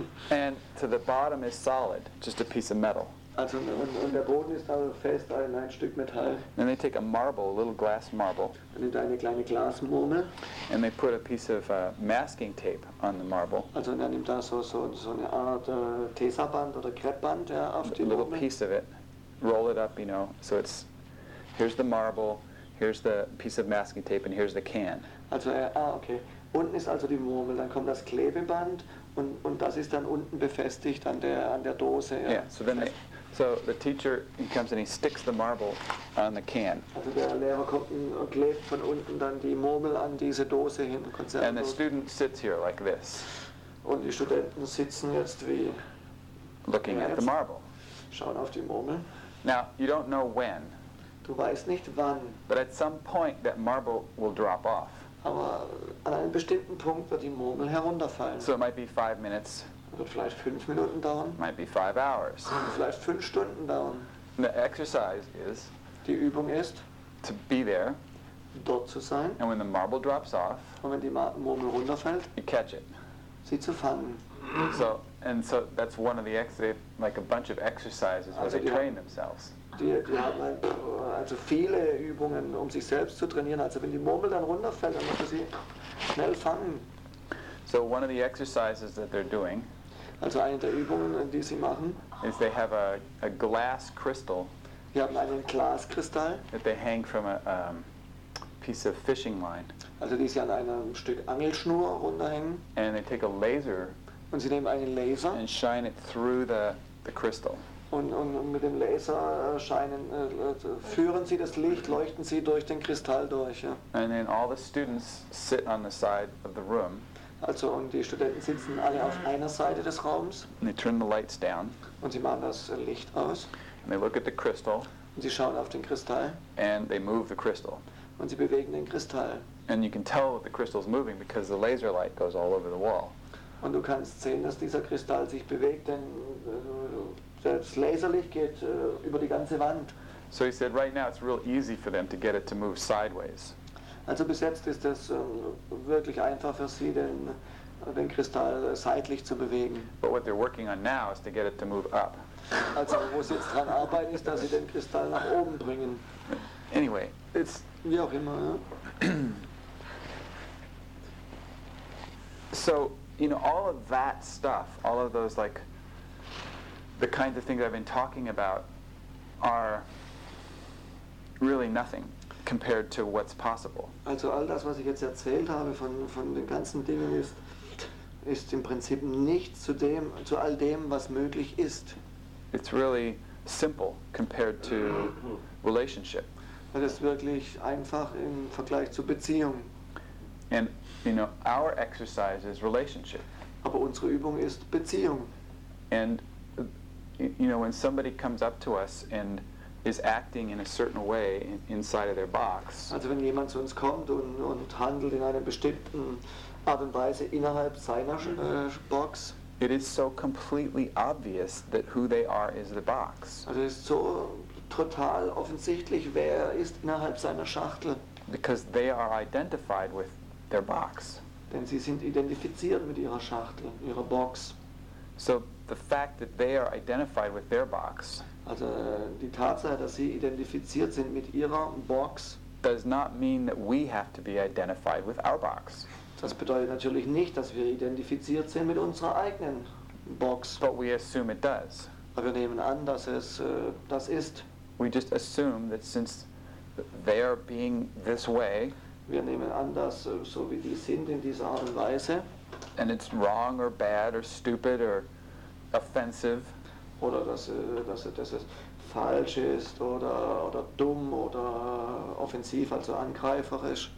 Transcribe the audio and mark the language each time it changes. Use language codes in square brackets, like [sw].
[en] And to the bottom is solid, just a piece of metal. [de] Also, und der Boden ist also fest, ein Stück Metall. [en] Then they take a marble, a little glass marble. [de] Dann nimmt eine kleine Glasmurmel. [en] And they put a piece of masking tape on the marble. [de] Also, dann nimmt er so eine Art Tesaband oder Kreppband, ja, auf die [en] A little Murmel. Piece of it. Roll it up, you know. So it's here's the marble, here's the piece of masking tape, and here's the can. [de] Also, okay. Unten ist also die Murmel, dann kommt das Klebeband und das ist dann unten befestigt an der Dose. Ja, [en] yeah, so, then they, so the teacher, he comes and he sticks the marble on the can. [de] Also der Lehrer kommt und klebt von unten dann die Murmel an diese Dose hin. Konzernlos. [en] And the student sits here like this. [de] Und die Studenten sitzen jetzt wie... [en] Looking at the marble. [de] Schauen auf die Murmel. [en] Now, you don't know when. [de] Du weißt nicht wann. [en] But at some point that marble will drop off. [de] Aber an einem bestimmten Punkt wird die Murmel herunterfallen. [en] So it might be 5 minutes. [de] Wird vielleicht 5 Minuten dauern. [en] Might be 5 hours. [de] Wird vielleicht 5 Stunden dauern. [en] And the exercise is. [de] Die Übung ist. [en] To be there. [de] Dort zu sein. [en] And when the marble drops off. [de] Und wenn die Murmel runterfällt. [en] You catch it. [de] Sie zu fangen. [en] So, and so that's one of the exercises, like a bunch of exercises [de] also [en] where they train themselves. [de] Die haben also viele Übungen, um sich selbst zu trainieren. Also wenn die Murmel dann runterfällt, dann muss man sie schnell fangen. [en] So one of the exercises that they're doing, [de] also eine der Übungen, die sie machen, [en] is they have a glass crystal. [de] Die haben einen Glaskristall. [en] That they hang from a piece of fishing line. [de] Also die sie an einem Stück Angelschnur runterhängen. [en] And they take a laser. [de] Und sie nehmen einen Laser. [en] And shine it through the crystal. [de] Und mit dem Laser scheinen, führen sie das Licht, leuchten sie durch den Kristall durch. Ja. [en] And then all the students sit on the side of the room. [de] Also, und die Studenten sitzen alle auf einer Seite des Raums. [en] And they turn the lights down. [de] Und sie machen das Licht aus. [en] And they look at the crystal. [de] Und sie schauen auf den Kristall. [en] And they move the crystal. [de] Und sie bewegen den Kristall. [en] And you can tell that the crystal is moving because the laser light goes all over the wall. [de] Und du kannst sehen, dass dieser Kristall sich bewegt, denn das Laserlicht geht über die ganze Wand. [en] So he said, right now it's real easy for them to get it to move sideways. [de] Also bis jetzt ist es wirklich einfach für sie, den Kristall seitlich zu bewegen. [en] But what they're working on now is to get it to move up. [de] Also wo sie jetzt dran arbeiten, ist, dass sie den Kristall nach oben bringen. [en] Anyway, [de] it's wie auch immer. Ja. [en] So, you know, all of that stuff, all of those, like, the kinds of things I've been talking about are really nothing compared to what's possible. [de] Also all das, was ich jetzt erzählt habe von den ganzen Dingen, ist ist im Prinzip nichts zu dem, zu all dem, was möglich ist. [en] It's really simple compared to relationship. [de] Das ist wirklich einfach im Vergleich zu Beziehung. [en] And you know, our exercise is relationship. [de] Aber unsere Übung ist Beziehung. [en] And you know, when somebody comes up to us and is acting in a certain way inside of their box. [de] Also wenn jemand zu uns kommt und handelt in einer bestimmten Art und Weise innerhalb seiner Box. [en] It is so completely obvious that who they are is the box. [de] Also es ist so total offensichtlich, wer ist innerhalb seiner Schachtel. [en] Because they are identified with their box. [de] Denn sie sind identifiziert mit ihrer Schachtel, ihrer Box. [en] So the fact that they are identified with their box. [de] Also die Tatsache, dass sie identifiziert sind mit ihrer Box. [en] Does not mean that we have to be identified with our box. [de] Das bedeutet natürlich nicht, dass wir identifiziert sind mit unserer eigenen Box. [en] But we assume it does. [de] Aber wir nehmen an, dass es das ist. [en] We just assume that since they are being this way. [de] Wir nehmen an, dass so wie die sind in dieser Art und Weise. [en] And it's wrong or bad or stupid or offensive. [de] Oder dass es falsch ist oder dumm oder offensiv, also angreiferisch.